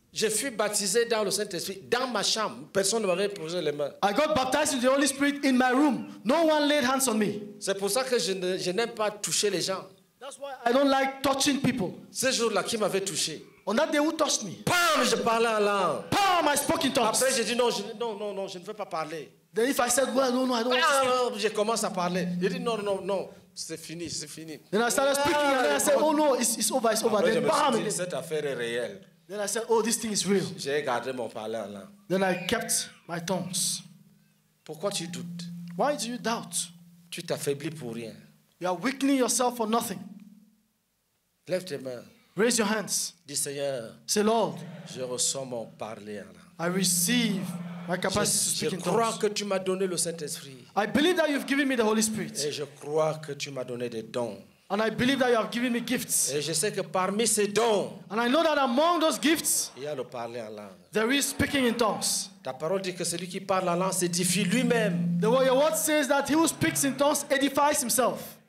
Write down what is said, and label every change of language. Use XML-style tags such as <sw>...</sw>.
<fr>Je fus baptisé dans le Saint-Esprit dans ma chambre. Personne ne m'avait posé les mains.</fr> <en>I got baptized in the Holy Spirit in my room. No one laid hands on me.</en> <fr>C'est pour ça que je n'aime pas toucher les gens.</fr> <en>That's why I don't like touching people.</en> <fr>Ce jour-là, qui m'avait touché?</fr> <en>On that day, who touched me?</en> <fr>Pam, je parlais en langue.</fr> <en>Pam, I spoke in tongues.</en> <fr>Après, j'ai dit non, non, je ne veux pas parler.</fr> <en>Then if I said well, no, I don't.</en> <fr>Ah, non, je commence à parler. J'ai dit non. C'est fini, c'est fini.</fr> <en>Then I started speaking and I said, oh no, it's over, it's</en> <fr>après,</fr> <en>over. Then bam,</en> <fr>dit, cette affaire est réelle.</fr> <en>Then I said, oh, this thing is real.</en> <fr>J'ai gardé mon parler en langue.</fr> <en>Then I kept my tongues.</en> <fr>Pourquoi tu doutes?</fr> <en>Why do you doubt?</en> <fr>Tu t'affaiblis pour rien.</fr> <en>You are weakening yourself for nothing.</en> <fr>Lève tes mains.</fr> <en>Raise your hands.</en> <fr>Dis Seigneur.</fr> <en>Say Lord.</en> <fr>Je reçois mon parler en langue.</fr> <en>I receive my capacity to speak in tongues.</en> <fr>Je crois que tu m'as donné le Saint-Esprit.</fr> <en>I believe that you've given me the Holy Spirit.</en> <fr>Et je crois que tu m'as donné des dons.</fr> <en>And I believe that you have given me gifts.</en> <fr>Et je sais que parmi ces dons,</fr> <en>and I know that among those gifts,</en> <fr>il y a le parler en langue.</fr> <en>There is speaking in tongues.</en> <fr>Ta parole dit que celui qui parle en langue s'édifie lui-même.</fr> <en>The word says that he who speaks in tongues edifies himself.</en>